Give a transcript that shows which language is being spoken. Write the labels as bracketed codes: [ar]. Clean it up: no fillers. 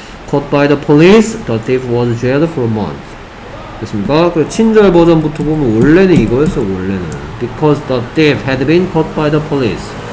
[en] caught by the police, the thief was jailed for a month. [ko] 됐습니까? 그래서 친절 버전부터 보면 원래는 이거였어, 원래는. [en] because the thief had been caught by the police.